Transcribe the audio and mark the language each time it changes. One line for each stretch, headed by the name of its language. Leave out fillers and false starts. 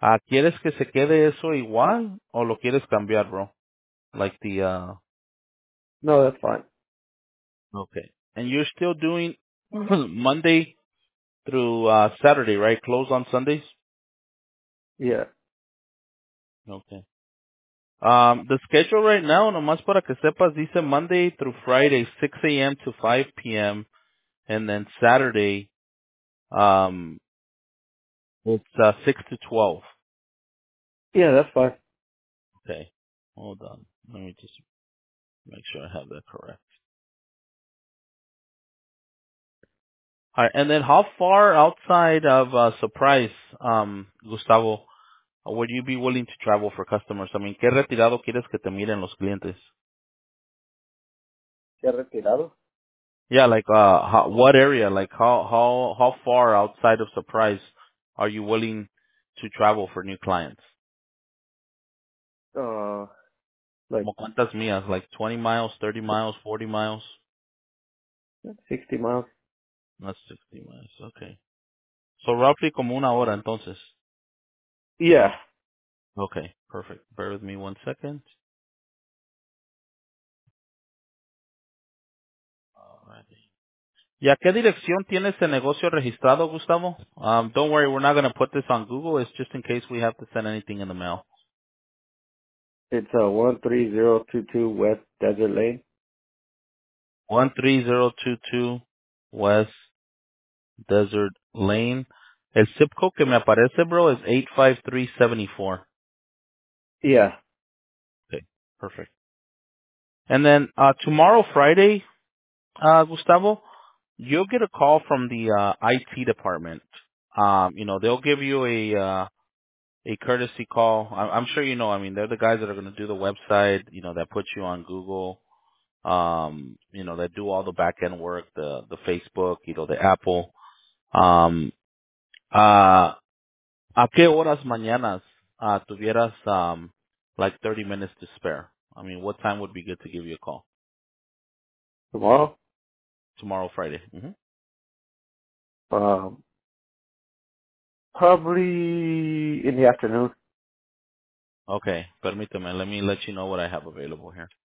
Spanish: ¿Quieres que se quede eso igual o lo quieres cambiar, bro?
English: Like the No, that's fine. Okay. And you're still doing Monday through Saturday, right? Close on Sundays? Yeah. Okay. The schedule right now,
Spanish: nomás para que sepas,
English: dice Monday through Friday, 6 a.m. to 5 p.m., and then Saturday, it's 6 to 12. Yeah, that's fine. Okay. Hold on. Let me just make sure I have that correct. All right. And then how far outside of Surprise, Gustavo, would you be willing to travel for customers? I mean,
Spanish: ¿qué retirado quieres que te miren los clientes? ¿Qué retirado?
English: Yeah, like what area? Like how far outside of Surprise are you willing to travel for new clients? Like
Spanish: ¿como cuántas millas?
English: Like 20 miles, 30 miles, 40 miles? 60 miles. That's 60 miles, okay. So roughly
Spanish: como una hora, entonces.
English: Yeah. Okay, perfect. Bear with me 1 second. Alrighty.
Spanish: ¿Y a qué dirección tiene ese negocio registrado, Gustavo?
English: Don't worry, we're not going to put this on Google. It's just in case we have to send anything in the mail. It's 13022 West Desert Lane. 13022 West Desert Lane.
Spanish: El zip code que me aparece, bro, es 85374.
English: Yeah. Okay, perfect. And then tomorrow, Friday, Gustavo, you'll get a call from the IT department. You know, they'll give you a courtesy call. I'm sure you know. I mean, they're the guys that are going to do the website, you know, that put you on Google, you know, that do all the back-end work, the Facebook, you know, the Apple.
Spanish: ¿A qué horas mañanas tuvieras
English: like 30 minutes to spare? I mean, what time would be good to give you a call? Tomorrow? Tomorrow, Friday. Mm-hmm. Probably in the afternoon.
Spanish: Okay, permíteme.
English: Let me let you know what I have available here.